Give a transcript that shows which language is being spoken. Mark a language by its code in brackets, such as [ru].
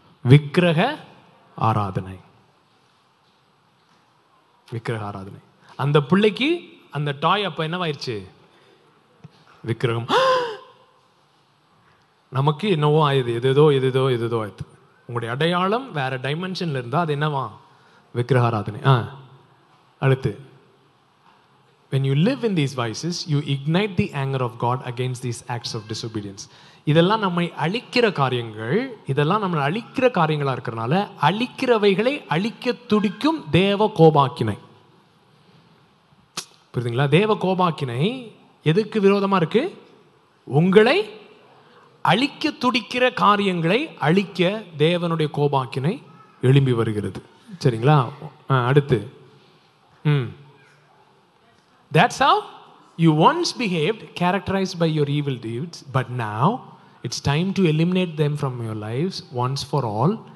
[ta] விக்கிரக ஆராதனை, விக்கிரக ஆராதனை. அந்த பிள்ளைக்கு அந்த டாய் அப்போ என்னவாயிருச்சு? விக்கிரகம். நமக்கு என்னவோ ஆயுது, எதுதோ எதுதோ எதுதோ ஆயுது. உங்களுடைய அடையாளம் வேற டைமென்ஷன்ல இருந்தா அது என்னவா? விக்கிரகாராதனை. அடுத்து, [en] when you live in these vices you ignite the anger of God against these acts of disobedience. [ta] இதெல்லாம் நம்மை அழிக்கிற காரியங்கள், இதெல்லாம் நம்மளை அழிக்கிற காரியங்களா இருக்கிறனால அழிக்கிறவைகளை அழிக்க துடிக்கும் தேவ கோபாக்கினை. புரியுதுங்களா? தேவ கோபாக்கினை எதுக்கு விரோதமா இருக்கு? உங்களை அழிக்க துடிக்கிற காரியங்களை அழிக்க தேவனுடைய கோபாக்கினை எழும்பி வருகிறது. சரிங்களா? அடுத்து, [en] That's how you once behaved characterized by your evil deeds, but now it's time to eliminate them from your lives once for all.